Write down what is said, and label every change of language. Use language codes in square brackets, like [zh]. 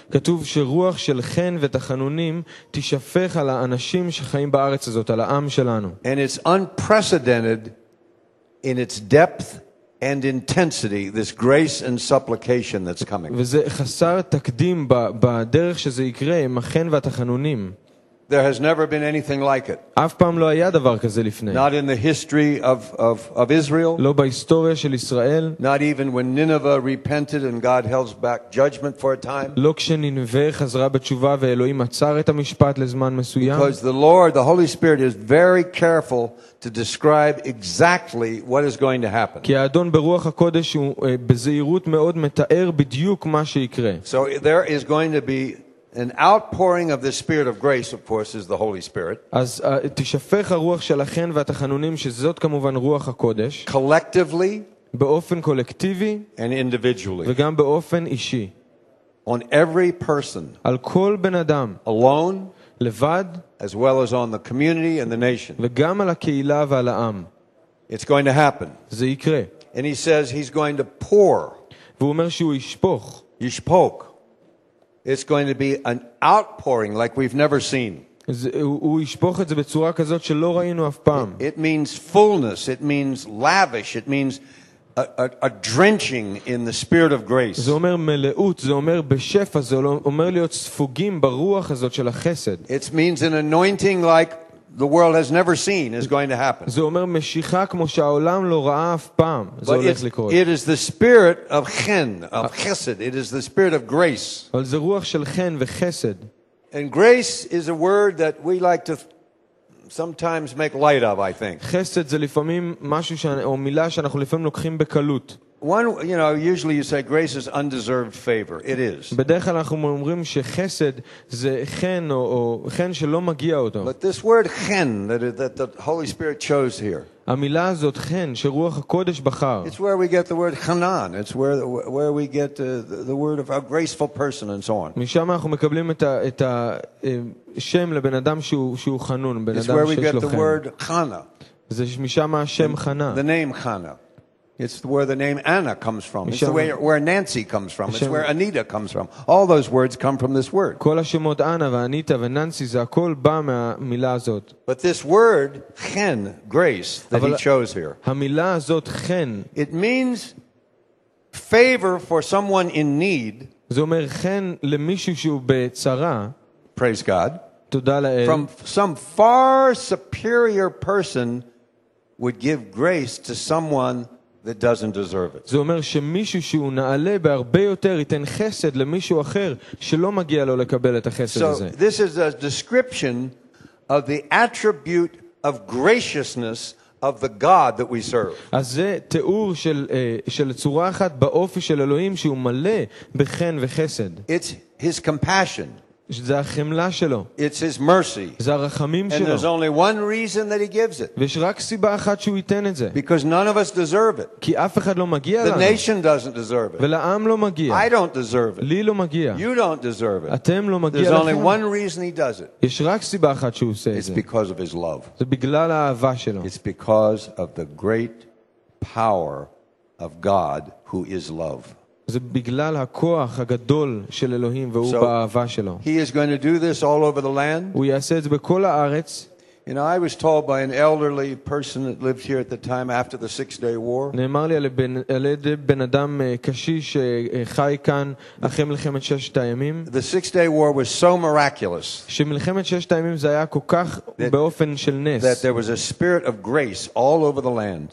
[he] כתוב שרוח של חן ותחנונים תשפך על האנשים שחיים בארץ הזאת, על העם שלנו. [en] And it's unprecedented in its depth and intensity, this grace and supplication that's coming. [he] וזה חסר תקדים בדרך שזה יקרה, עם החן והתחנונים. [en] There has never been anything like it. [he] אף פעם לא היה דבר כזה לפני. [en] Not in the history of Israel. [he] לא בהיסטוריה של ישראל. [en] Not even when Nineveh repented and God held back judgment for a time. [he] לא כשנינווה חזרה בתשובה ואלוהים עצר את המשפט לזמן מסוים. [en] Because the Lord, the Holy Spirit, is very careful to describe exactly what is going to happen. [he] כי האדון ברוח הקודש הוא בזהירות מאוד מתאר בדיוק מה שיקרה. [en] So there is going to be an outpouring of the Spirit of grace, of course, is the Holy Spirit. [he] אז תשפך הרוח שלכן והתחנונים, שזאת כמובן רוח הקודש. [en] Collectively, [he] באופן קולקטיבי, [en] and individually, [he] וגם באופן אישי. [en] on every person, [he] על כל בן אדם, [en] alone, [he] לבד, [en] as well as on the community and the nation. [he] וגם על הקהילה ועל העם. [en] It's going to happen. [he] זה יקרה. [en] And he says he's going to pour. [he] והוא אומר שהוא ישפוך. ישפוך. [en] It's going to be an outpouring like we've never seen. [he] הוא ישפוך את זה בצורה כזאת שלא ראינו אף פעם. [en] It means fullness, it means lavish, it means a drenching in the spirit of grace. [he] זה אומר מלאות, זה אומר בשפע, זה אומר להיות ספוגים ברוח הזאת של החסד. [en] It means an anointing like the world has never seen is going to happen. [he] זה אומר משיכה כמו שהעולם לא ראה אף פעם. זה הולך לקרות. [en] It is the spirit of chen, of chesed. It is the spirit of grace. [he] אבל זה רוח של חן וחסד. [en] And grace is a word that we like to sometimes make light of, I think. [he] חסד זה לפעמים משהו או מילה שאנחנו לפעמים לוקחים בקלות. [en] One, you know, usually you say grace is undeserved favor. It is. [he] בדרך כלל אנחנו אומרים שחסד זה חן או חן שלא מגיע אותו. [en] But this word חן that the Holy Spirit chose here. [he] המילה הזאת חן שרוח הקודש בחר. [en] It's where we get the word חנן. It's where we get the word of a graceful person and so on. [he] משם אנחנו מקבלים את השם לבן אדם שהוא חנון, בן אדם שיש לו חן. [en] It's where we get the word חנה. [he] זה משם השם חנה. [en] The name חנה. It's where the name Anna comes from. It's where Nancy comes from. It's where Anita comes from. All those words come from this word. [he] כל השמות אנה ואניטה ונאנסי זה הכל בא מהמילה הזאת. [en] But this word chen, grace that he chose here. [he] המילה הזאת chen. [en] It means favor for someone in need. [he] זה אומר chen למישהו שהוא בצרה. [en] Praise God. [he] תודה לאל. [en] From some far superior person would give grace to someone that doesn't deserve it. [he] זה אומר שמישהו שהוא נעלה בהרבה יותר ייתן חסד למישהו אחר שלא מגיע לו לקבל את החסד הזה. [en] So this is a description of the attribute of graciousness of the God that we serve. [he] אז זה תיאור של צורה אחת באופי של אלוהים שהוא מלא בחן וחסד. [en] It's his compassion. [he] זה החמלה שלו. [en] It's his mercy. [he] זה הרחמים שלו. [en] And there's only one reason that he gives it. [he] ויש רק סיבה אחת שהוא ייתן את זה. [en] Because none of us deserve it. [he] כי אף אחד לא מגיע לנו. [en] The nation doesn't deserve it. [he] ולעם לא מגיע. [en] I don't deserve it. [he] לי לא מגיע. [en] You don't deserve it. [he] אתם לא מגיע. [en] There's only one reason he does it. [he] יש רק סיבה אחת שהוא עושה את זה. [en] It's because of his love. [he] זה בגלל האהבה שלו. [en] It's because of the great power of God who is love. [he] זה בגלל הכוח הגדול של אלוהים והוא באהבה שלו. [en] He is going to do this all over the land. [he] הוא יעשה את זה בכל הארץ. [en] And I was told by an elderly person that lived here at the time after the Six-Day War. [he] נאמר לי על ידי בן אדם קשיש שחי כאן אחרי מלחמת ששת הימים. [en] The Six-Day War was so miraculous. [he] שמלחמת ששת הימים זה היה כל כך באופן של נס. [en] That there was a spirit of grace all over the land.